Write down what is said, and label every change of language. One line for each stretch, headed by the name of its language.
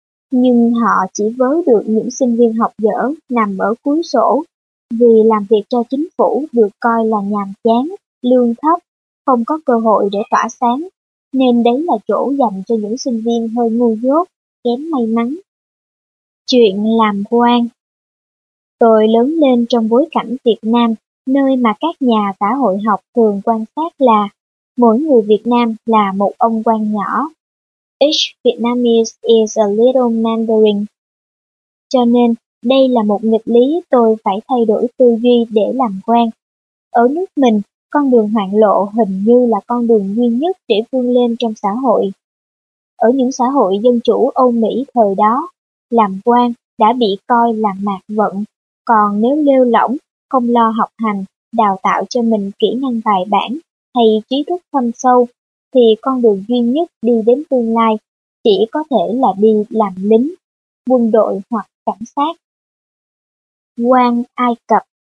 Vietnamese: Nhưng họ chỉ vớ được những sinh viên học dở nằm ở cuối sổ, vì làm việc cho chính phủ được coi là nhàm chán, lương thấp, không có cơ hội để tỏa sáng, nên đấy là chỗ dành cho những sinh viên hơi ngu dốt, kém may mắn. Chuyện làm quan. Tôi lớn lên trong bối cảnh Việt Nam, nơi mà các nhà xã hội học thường quan sát là mỗi người Việt Nam là một ông quan nhỏ.
English: Each Vietnamese is a little mandarin.
Vietnamese: Cho nên, đây là một nghịch lý tôi phải thay đổi tư duy để làm quan. Ở nước mình, con đường hoạn lộ hình như là con đường duy nhất để vươn lên trong xã hội. Ở những xã hội dân chủ Âu Mỹ thời đó, làm quan đã bị coi là mạt vận, còn nếu lêu lỏng, không lo học hành, đào tạo cho mình kỹ năng bài bản hay trí thức thâm sâu, thì con đường duy nhất đi đến tương lai chỉ có thể là đi làm lính, quân đội hoặc cảnh sát. Quan Ai Cập.